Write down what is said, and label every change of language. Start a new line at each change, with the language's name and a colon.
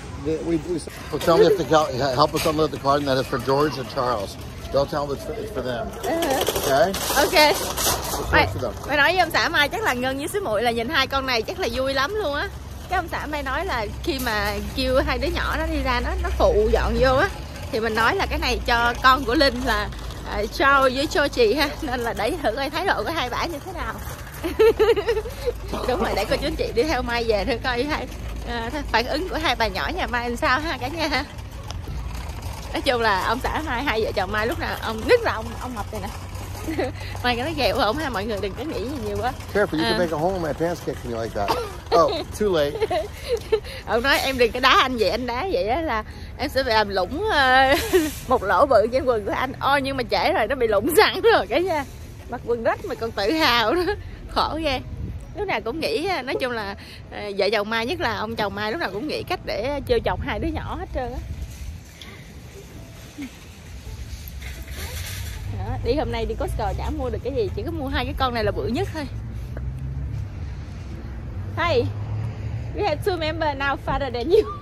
English: Well, tell me if they help us unload the card, and that is for George and Charles. They'll tell them it's for them. Okay.
Vietnamese: Mày, mày nói với ông xã Mai chắc là Ngân với xíu muội là nhìn hai con này chắc là vui lắm luôn á. Cái ông xã Mai nói là khi mà kêu hai đứa nhỏ nó đi ra nó phụ dọn vô á, thì mình nói là cái này cho con của Linh là Charles với Georgie ha, nên là để thử coi thái độ của hai bả như thế nào. Đúng rồi, để cô chú chị đi theo Mai về thử coi hai. Phản ứng của hai bà nhỏ nhà Mai làm sao ha cả nhà. Nói chung là ông xã Mai, hai vợ chồng Mai lúc nào ông nứt là ông mập này nè. Mai cái nó ghẹo ổng ha, mọi người đừng có nghĩ gì nhiều quá.
English: Careful, you can make a hole in my pants kicking you like that. Oh, too late.
Vietnamese: Ông nói em đừng có đá anh vậy, anh đá vậy á là em sẽ bị làm lủng một lỗ bự trên quần của anh. Ôi nhưng mà trễ rồi, nó bị lủng sẵn rồi cả nhà. Mặc quần rách mà còn tự hào nữa. Khổ ghê. Lúc nào cũng nghĩ, nói chung là vợ chồng Mai, nhất là ông chồng Mai, lúc nào cũng nghĩ cách để trêu chọc hai đứa nhỏ hết trơn á. Đi hôm nay đi Costco chả mua được cái gì, chỉ có mua hai cái con này là bự nhất thôi.
English: Hey, we have two members now fatter than you.